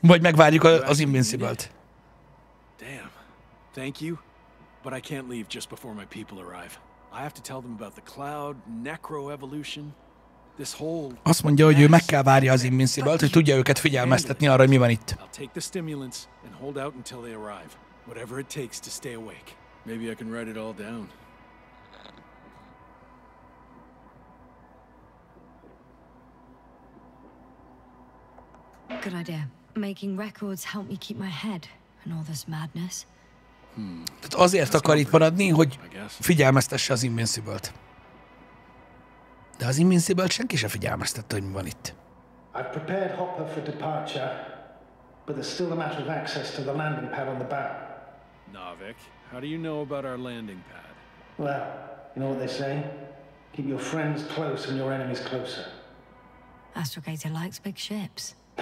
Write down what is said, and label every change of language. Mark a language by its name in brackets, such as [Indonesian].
[Hungarian] Vagy megvárjuk az Invincible-t. [English] Damn. Thank you. But I can't leave just before my people arrive. I have to tell them about the cloud, necro-evolution. [Hungarian] Azt mondja, hogy ő meg kell várja az Invincible-t, hogy tudja őket figyelmeztetni arra, hogy mi van itt. [English] I'll take the stimulants and hold out until they arrive. Whatever it takes to stay awake. Maybe I can write it all down. Good idea. Making records help me keep my head in all this madness. [Hungarian] Tehát azért akar itt maradni, hogy figyelmeztesse az Invincible-t. De az Invincible-t senki se figyelmeztette, hogy mi van itt. [English] I've prepared Hopper for departure, but there's still a matter of access to the landing pad on the bow. Novik, how do you know about our landing pad? Well, you know what they say? Keep your friends close and your enemies closer. Astrogator likes big ships.